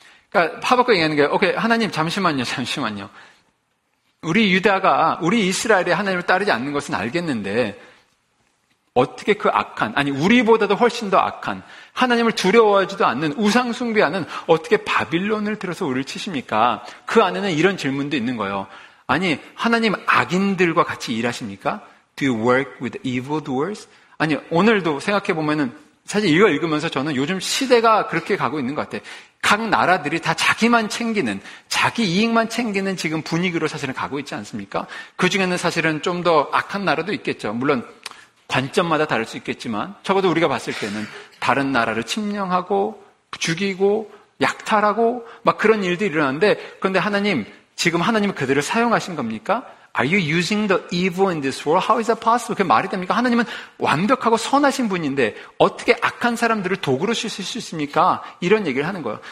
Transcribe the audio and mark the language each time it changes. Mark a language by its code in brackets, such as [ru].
[ko] 그러니까 하박국 얘기하는 게 오케이, 하나님 잠시만요, 잠시만요. 우리 유다가 우리 이스라엘이 하나님을 따르지 않는 것은 알겠는데 어떻게 그 악한, 아니 우리보다도 훨씬 더 악한 하나님을 두려워하지도 않는 우상 숭배하는 어떻게 바빌론을 들어서 우리를 치십니까? 그 안에는 이런 질문도 있는 거예요. 아니, 하나님 악인들과 같이 일하십니까? [en] Do you work with evildoers? [ko] 아니, 오늘도 생각해 보면은 사실 이걸 읽으면서 저는 요즘 시대가 그렇게 가고 있는 것 같아요. 각 나라들이 다 자기만 챙기는, 자기 이익만 챙기는 지금 분위기로 사실은 가고 있지 않습니까? 그 중에는 사실은 좀 더 악한 나라도 있겠죠. 물론 관점마다 다를 수 있겠지만 적어도 우리가 봤을 때는 다른 나라를 침략하고 죽이고 약탈하고 막 그런 일들이 일어나는데, 그런데 하나님, 지금 하나님은 그들을 사용하신 겁니까? [en] Are you using the evil in this world? How is that possible? [ko] 그게 말이 됩니까? 하나님은 완벽하고 선하신 분인데 어떻게 악한 사람들을 도구로 쓰실 수 있습니까? 이런 얘기를 하는 거예요.